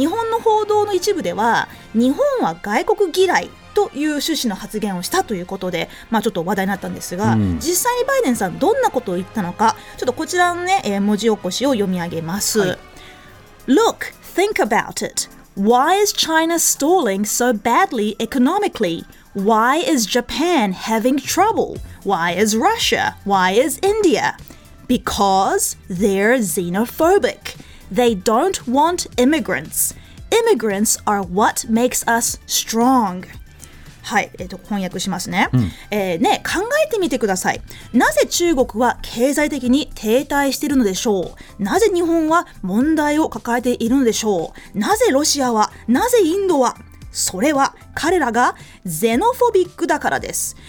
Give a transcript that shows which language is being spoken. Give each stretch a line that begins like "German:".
Japanese: の報道の一部では日本は外国嫌いという趣旨の発言をしたということで、ちょっと話題になったんですが、実際にバイデンさんどんなことを言ったのか、ちょっとこちらの、文字起こしを読み上げます。はい、
English: Look, think about it. Why is China stalling so badly economically? Why is Japan having trouble? Why is Russia? Why is India? Because they're xenophobic. They don't want immigrants. Immigrants are what makes us strong.
Japanese: はい、翻訳しますね、考えてみてください。なぜ中国は経済的に停滞しているのでしょう。なぜ日本は問題を抱えているのでしょう。なぜロシアは、なぜインドは。それは彼らがゼノフォビックだからです。